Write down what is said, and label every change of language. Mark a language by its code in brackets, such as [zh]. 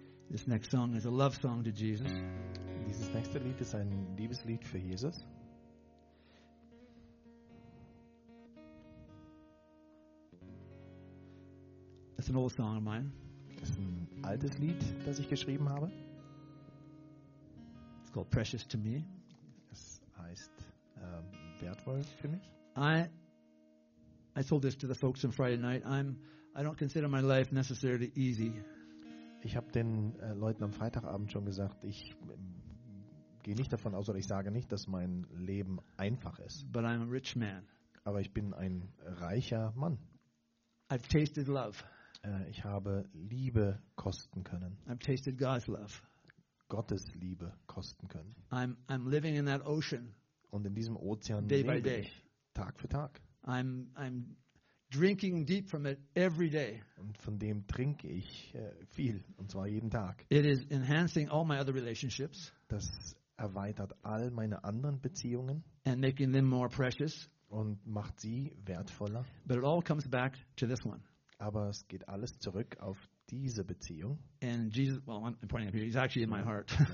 [en] This next song is a love song to Jesus. [de] Dieses nächste Lied ist ein Liebeslied für Jesus. [en] It's an old song of mine. [de] Das ist ein altes Lied, das ich geschrieben habe. [en] Called precious to me. [de] Das heißt wertvoll für mich. [en] I told this to the folks on Friday night. I don't consider my life necessarily easy. [de] Ich habe den Leuten am Freitagabend schon gesagt, ich gehe nicht davon aus, oder ich sage nicht, dass mein Leben einfach ist. [en] But I'm a rich man. [de] Aber ich bin ein reicher Mann. [en] I've tasted love. [de] Ich habe Liebe kosten können. [en] I've tasted God's love. [de] Gottes Liebe kosten können. [en] I'm living in that ocean. [de] Und in diesem Ozean [en] day [de] lebe [en] by day. [de] Ich Tag für Tag. [en] I'm drinking deep from it every day. [de] Und von dem trinke ich viel, und zwar jeden Tag. [en] It is enhancing all my other relationships. [de] Das erweitert all meine anderen Beziehungen. [en] And making them more precious. [de] Und macht sie wertvoller. [en] But it all comes back to this one. [de] Aber es geht alles zurück auf diese Beziehung. [en] And Jesus, well, I'm pointing up here, he's actually in my heart.